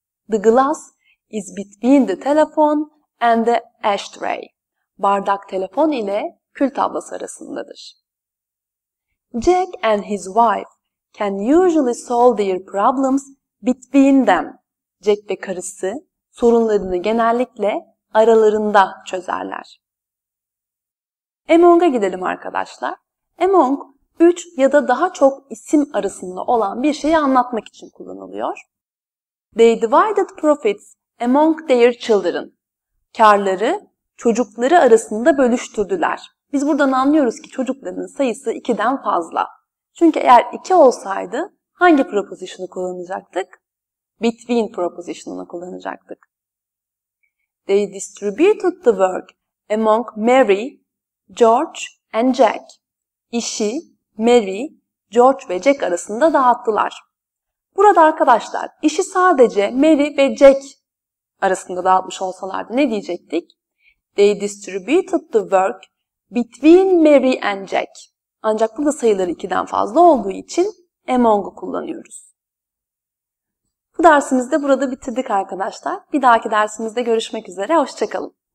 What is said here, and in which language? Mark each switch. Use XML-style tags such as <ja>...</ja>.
<en>The glass is between the telephone and the ashtray.</en> <tr>Bardak telefon ile kül tablası arasındadır.</tr> <en>Jack and his wife can usually solve their problems between them.</en> <tr>Jack ve karısı sorunlarını genellikle aralarında çözerler. Among'a gidelim arkadaşlar. Among, üç ya da daha çok isim arasında olan bir şeyi anlatmak için kullanılıyor.</tr> <en>They divided profits among their children.</en> <tr>Kârları çocukları arasında bölüştürdüler. Biz buradan anlıyoruz ki çocukların sayısı 2'den fazla. Çünkü eğer 2 olsaydı hangi proposition'ı kullanacaktık? Between proposition'ını kullanacaktık.</tr> <en>They distributed the work among Mary, George and Jack.</en> <tr>İşi Mary, George ve Jack arasında dağıttılar. Burada arkadaşlar işi sadece Mary ve Jack arasında dağıtmış olsalardı ne diyecektik?</tr> <en>They distributed the work between Mary and Jack.</en> <tr>Ancak burada sayılar 2'den fazla olduğu için among'u kullanıyoruz. Bu dersimizde burada bitirdik arkadaşlar. Bir dahaki dersimizde görüşmek üzere. Hoşça kalın.</tr>